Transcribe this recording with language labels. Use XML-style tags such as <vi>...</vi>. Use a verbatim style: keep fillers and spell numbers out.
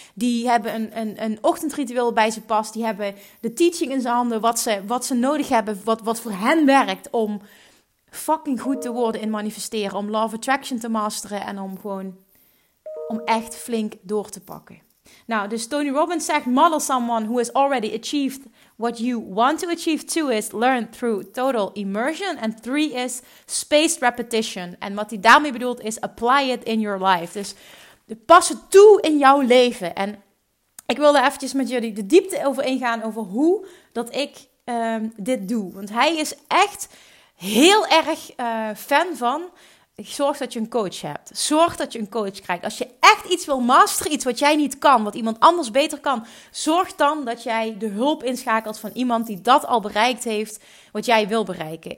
<nl>Die hebben een, een, een ochtendritueel bij ze past. Die hebben de teaching in zijn handen. Wat ze, wat ze nodig hebben. Wat, wat voor hen werkt om fucking goed te worden in manifesteren. Om Law of Attraction te masteren. En om gewoon om echt flink door te pakken. Nou, dus Tony Robbins zegt...</nl> <en>Model someone who has already achieved what you want to achieve. Two is learn through total immersion. And three is spaced repetition.</en> <nl>En wat hij daarmee bedoelt is</nl> <en>apply it in your life.</en> <nl>Dus... de passen toe in jouw leven. En ik wilde eventjes met jullie de diepte over ingaan over hoe dat ik um, dit doe. Want hij is echt heel erg uh, fan van... zorg dat je een coach hebt. Zorg dat je een coach krijgt. Als je echt iets wil masteren, iets wat jij niet kan, wat iemand anders beter kan, zorg dan dat jij de hulp inschakelt van iemand die dat al bereikt heeft, wat jij wil bereiken.</nl>